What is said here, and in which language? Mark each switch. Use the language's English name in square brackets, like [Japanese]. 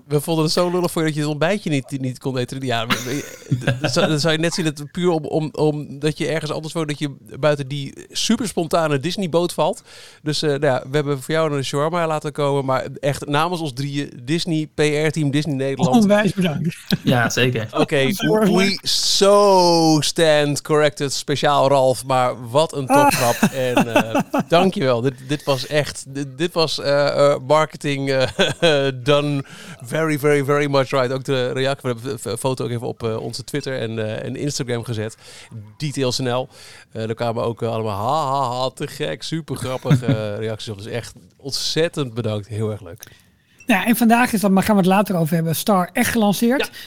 [Dutch] We vonden het zo lullig voor je dat je het ontbijtje niet kon eten. Ja, dan zou je net zien dat puur om dat je ergens anders woont, dat je buiten die super spontane Disney-boot valt. Dus we hebben voor jou een shawarma laten komen. Maar echt namens ons drieën, Disney, PR-team, Disney Nederland. Onwijs bedankt. Ja, zeker. [English] Oké, okay, we so stand corrected. [Dutch] Speciaal Ralf, maar wat een topgrap. En dankjewel. Dit was echt. Dit was [English] marketing done very, very, very much right. [Dutch] Ook de reactie. We hebben de foto ook even op onze Twitter en Instagram gezet. DetailsNL. Er kwamen ook allemaal ha, te gek. Super grappige reacties op. Dus echt ontzettend bedankt. Heel erg leuk. Ja, en vandaag is dat, maar gaan we het later over hebben, Star echt gelanceerd. Ja.